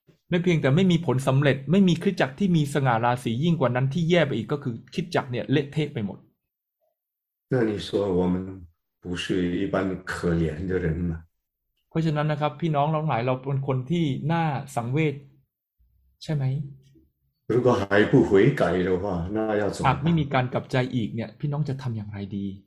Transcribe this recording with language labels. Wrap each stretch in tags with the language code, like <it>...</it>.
<th>ไม่เพียงแต่ไม่มีผลสำเร็จไม่มีคริสตจักรที่มีสง่าราศียิ่งกว่านั้นที่แย่ไปอีกก็คือคริสตจักรเนี่ยเละเทะไปหมด</th> <zh>那你说我们不是一般可怜的人吗</zh> <th>เพราะฉะนั้นนะครับพี่น้องทั้งหลายเราเป็นคนที่น่าสังเวชใช่ไหม</th> <zh>如果还不悔改的话那要怎么办</zh> <th>ไม่มีการกลับใจอีกเนี่ยพี่น้องจะทำอย่างไรดี</th>